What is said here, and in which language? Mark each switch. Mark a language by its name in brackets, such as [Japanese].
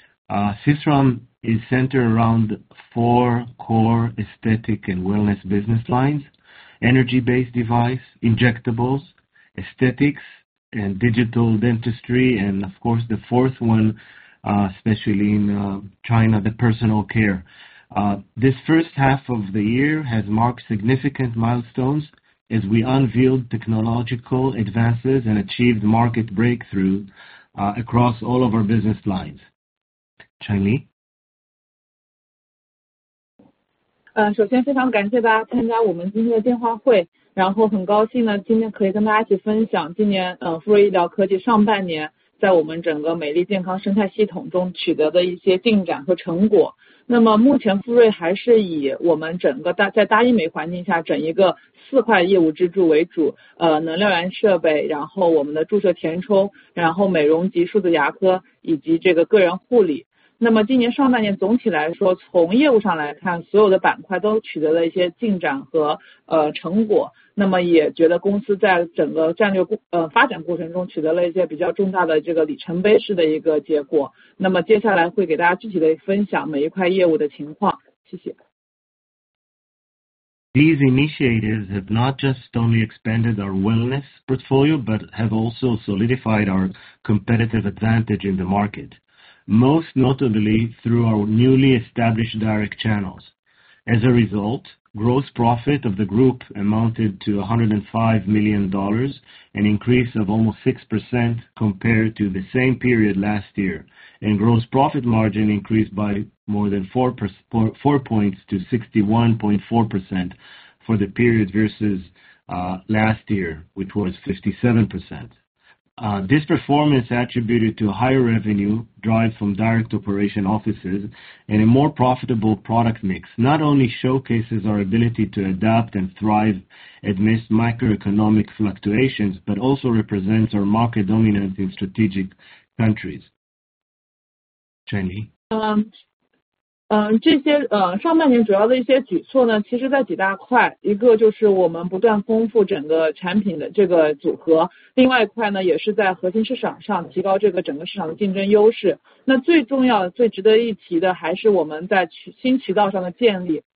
[English] Sisram is centered around four core aesthetic and wellness business lines: energy-based device, injectables, aesthetics, and digital dentistry, and of course the fourth one, especially in China, the personal care. This first half of the year has marked significant milestones as we unveiled technological advances and achieved market breakthrough across all of our business lines. Chen Li? [Chinese] 首先非常感谢大家参加我们今天的电话会，然后很高兴呢今天可以跟大家一起分享今年富瑞医疗科技上半年在我们整个美丽健康生态系统中取得的一些进展和成果。那么目前富瑞还是以我们整个在大医美环境下整一个四块业务支柱为主，能量源设备，然后我们的注射填充，然后美容及数字牙科，以及这个个人护理。那么今年上半年总体来说，从业务上来看，所有的板块都取得了一些进展和成果。那么也觉得公司在整个战略发展过程中取得了一些比较重大的这个里程碑式的一个结果。那么接下来会给大家具体的分享每一块业务的情况。谢谢。 [English] These initiatives have not just only expanded our wellness portfolio, but have also solidified our competitive advantage in the market. Most notably through our newly established direct channels. As a result, gross profit of the group amounted to $105 million, an increase of almost 6% compared to the same period last year, and gross profit margin increased by more than 4 points to 61.4% for the period versus last year, which was 57%. This performance attributed to higher revenue derived from direct operation offices and a more profitable product mix not only showcases our ability to adapt and thrive amidst macroeconomic fluctuations, but also represents our market dominance in strategic countries. Chen Li? [Chinese] 这些上半年主要的一些举措呢，其实在几大块，一个就是我们不断丰富整个产品的这个组合，另外一块呢也是在核心市场上提高这个整个市场的竞争优势。那最重要最值得一提的还是我们在新渠道上的建立。